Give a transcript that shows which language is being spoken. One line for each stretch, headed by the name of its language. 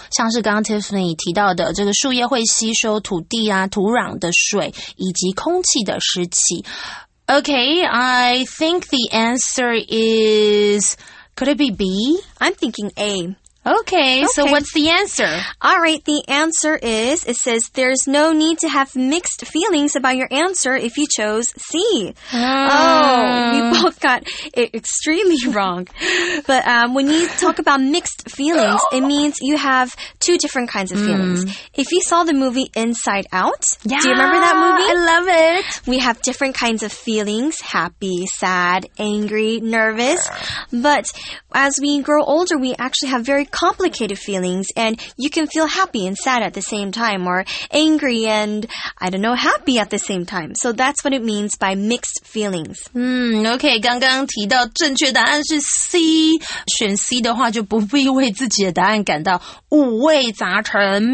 Chinese: 像是刚刚 Tiffany 提到的这个树叶会吸收土地啊土壤的水以及空气的湿气。
English: Okay, I think the answer is, could it be B? I'm thinking A. Okay, so what's the answer? All right, the answer is, it says there's no need to have mixed feelings about your answer if you chose C. We both got it extremely wrong. But when you talk about mixed feelings, it means you have two different kinds of feelings. If you saw the movie Inside Out, yeah, do you remember that movie? I love it. We have different kinds of feelings, happy, sad, angry, nervous. But as we grow older, we actually have very complicated feelings, and you can feel happy and sad at the same time, or angry and, I don't know, happy at the same time. So that's what it means by mixed feelings.
Chinese: Okay, 刚刚提到正确答案是 C, 选 C 的话就不必为自己的答案感到五味杂陈。